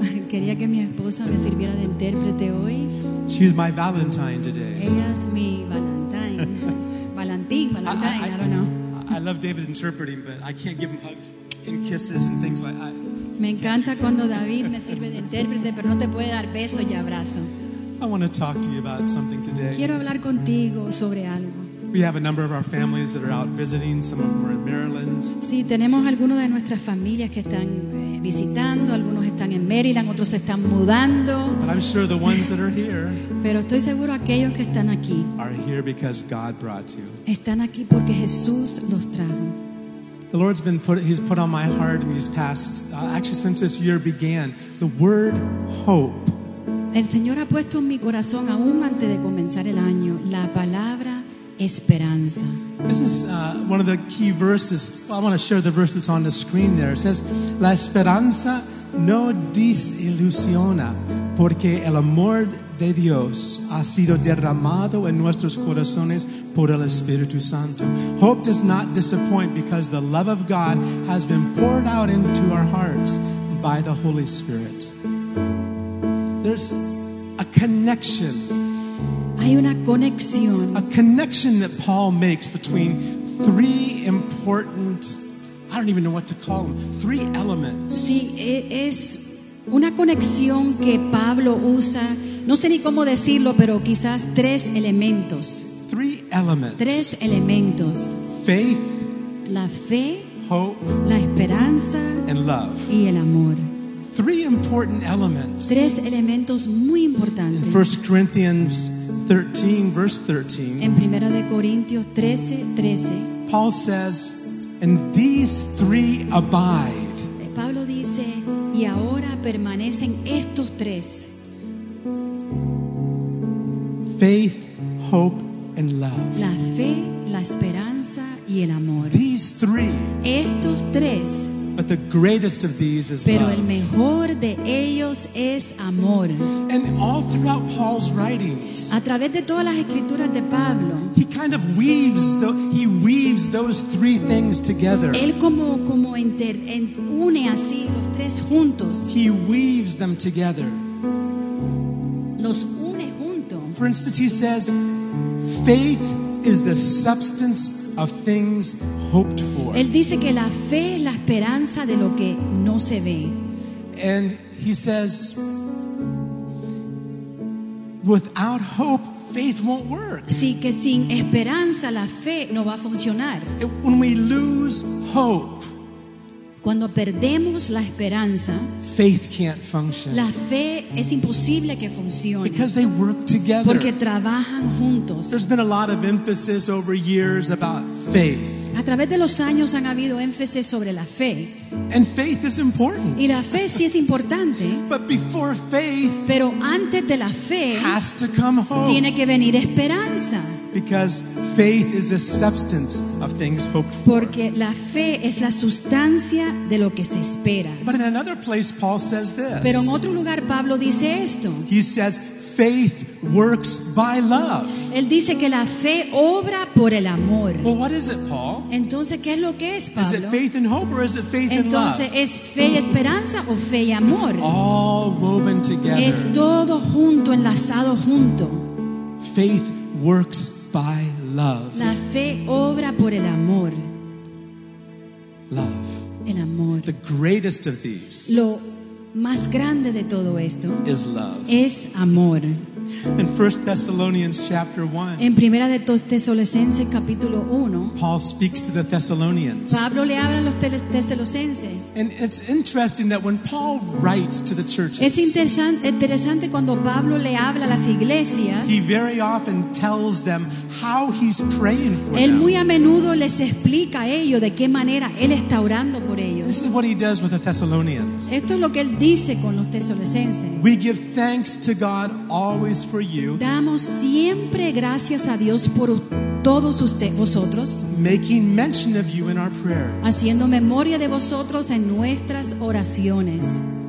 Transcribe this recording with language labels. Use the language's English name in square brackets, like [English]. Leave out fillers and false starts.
[Spanish] Quería que mi esposa me sirviera de intérprete hoy. [English] She's my Valentine today. [Spanish] Ella es mi Valentine. Valentine, [English] I don't know. I love David interpreting, but I can't give him hugs and kisses and things like that. [Spanish] Me encanta cuando David me sirve de intérprete, pero no te puede dar beso y abrazo. [English] I want to talk to you about something today. [Spanish] Quiero hablar contigo sobre algo. [English] We have a number of our families that are out visiting. Some of them are in Maryland. [Spanish] Sí, tenemos algunos de nuestras familias que están visitando. Algunos están en Maryland, otros se están mudando. [English] But I'm sure the ones that are here. [Spanish] Pero estoy seguro aquellos que están aquí. [English] Are here because God brought you. [Spanish] Están aquí porque Jesús los trajo. [English] The Lord's been put, He's put on my heart in these past, actually since this year began, the word hope. [Spanish] El Señor ha puesto en mi corazón aún antes de comenzar el año la palabra esperanza. [English] This is one of the key verses. Well, I want to share the verse that's on the screen there. It says, [Spanish] la esperanza no desilusiona porque el amor de Dios ha sido derramado en nuestros corazones por el Espíritu Santo. [English] Hope does not disappoint because the love of God has been poured out into our hearts by the Holy Spirit. There's a connection. [Spanish] Hay una conexión. [English] A connection that Paul makes between three important, I don't even know what to call them, three elements. [Spanish] Sí, es una conexión que Pablo usa, no sé ni cómo decirlo, pero quizás tres elementos. [English] Three elements. [Spanish] Tres elementos. [English] Faith. [Spanish] La fe. [English] Hope. [Spanish] La esperanza. [English] And love. [Spanish] Y el amor. [English] Three important elements. [Spanish] Tres elementos muy importantes. [English] In 1 Corinthians 13, verse 13. [Spanish] En Primera de Corintios 13, 13. [English] Paul says, and these three abide. [Spanish] Pablo dice, y ahora permanecen estos tres. [English] Faith, hope, and love. [Spanish] La fe, la esperanza, y el amor. [English] These three. [Spanish] Estos tres. [English] But the greatest of these is [Spanish] pero [English] love. [Spanish] El mejor de ellos es amor. [English] And all throughout Paul's writings, [Spanish] a través de todas las escrituras de Pablo, [English] he kind of weaves those three things together. [Spanish] Él como une así los tres juntos. [English] He weaves them together. [Spanish] Los une junto. [English] For instance, he says, faith is the substance of things hoped for. [Spanish] Él dice que la fe es la esperanza de lo que no se ve. [English] And he says, without hope, faith won't work. [Spanish] Sí, que sin esperanza la fe no va a funcionar. [English] When we lose hope, [Spanish] cuando perdemos la esperanza, [English] faith can't function. [Spanish] La fe es imposible que funcione. [English] Because they work together. [Spanish] Porque trabajan juntos. [English] There's been a lot of emphasis over years about faith. [Spanish] A través de los años han habido énfasis sobre la fe. [English] And faith is important. [Spanish] Y la fe sí es importante. [English] But before faith, [Spanish] pero antes de la fe, [English] has to come hope. [Spanish] Tiene que venir esperanza. [English] Because faith is the substance of things hoped for. [Spanish] Porque la fe es la sustancia de lo que se espera. [English] But in another place, Paul says this. [Spanish] Pero en otro lugar, Pablo dice esto. [English] He says, faith works by love. [Spanish] Él dice que la fe obra por el amor. [English] Well, what is it, Paul? [Spanish] Entonces, ¿qué es lo que es, Pablo? [English] Is it faith and hope or is it faith [Spanish] entonces, [English] and love? [Spanish] ¿Es fe y esperanza o fe y amor? [English] It's all woven together. [Spanish] Es todo junto, enlazado junto. [English] Faith works by love. [Spanish] La fe obra por el amor. [English] Love. [Spanish] El amor. [English] The greatest of these. [Spanish] Lo más grande de todo esto [English] is love. [Spanish] Es amor. [English] In 1 Thessalonians chapter 1, [Spanish] en Primera de Tesalonicenses capítulo 1, [English] Paul speaks to the Thessalonians. [Spanish] Pablo le habla a los Tesalonicenses. [English] And it's interesting that when Paul writes to the churches, [Spanish] es interesante cuando Pablo le habla a las iglesias, [English] he very often tells them how he's praying for them. [Spanish] Él muy a menudo les explica a ellos de qué manera él está orando por ellos. [English] This is what he does with the Thessalonians. [Spanish] Esto es lo que él dice con los Tesalonicenses. [English] We give thanks to God always for you. [Spanish] Damos siempre gracias a Dios por todos ustedes, vosotros. [English] Making mention of you in our prayers. [Spanish] Haciendo memoria de vosotros en nuestras oraciones.